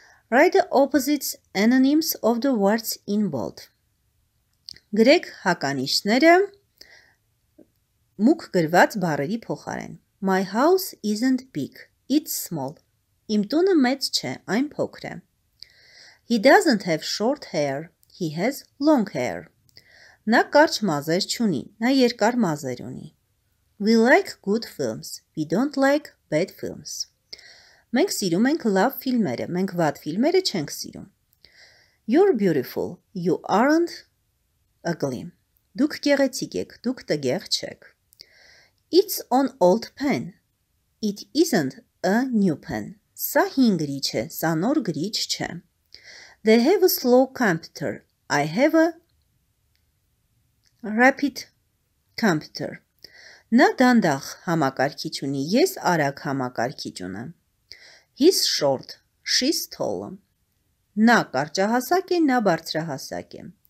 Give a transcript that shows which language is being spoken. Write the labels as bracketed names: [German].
[English] Write the opposite antonyms of the words in bold. [Armenian] Գրեք հականիշները մուկ գրված բառերի փոխարեն. [English] My house isn't big, it's small. [Armenian] Իմ տունը մեծ չէ, այն փոքր է. [English] He doesn't have short hair, he has long hair. [Armenian] Նա կարճ մազեր չունի, նա երկար մազեր ունի. [English] We like good films, we don't like bad films. [Armenian] Մենք սիրում ենք լավ ֆիլմերը, մենք վատ ֆիլմերը չենք սիրում. [English] You're beautiful, you aren't ugly. [Armenian] Դուք գեղեցիկ եք, դուք տգեղ չեք. [English] It's an old pen, it isn't a new pen. [Armenian] Սա հին գրիչ է, սա նոր գրիչ չէ. [English] They have a slow computer. I have a rapid computer. [Armenian] Նա դանդաղ համակարգիչ ունի, ես արագ համակարգիչ ունեմ. [English] He's short, she's tall. [Armenian] Նա կարճահասակ է, նա բարձրահասակ է.